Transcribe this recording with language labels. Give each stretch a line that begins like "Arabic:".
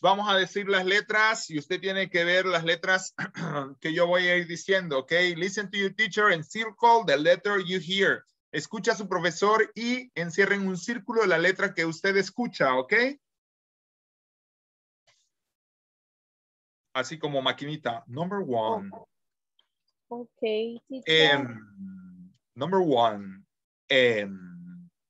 Spanish: Vamos a decir las letras y usted tiene que ver las letras que yo voy a ir diciendo.
English: Okay. Listen to your teacher and circle the letter you hear.
Spanish: Escucha a su profesor y encierre en un círculo la letra que usted escucha.
English: Okay.
Spanish: Así como maquinita.
English: Number one. Okay. M. Number one. M.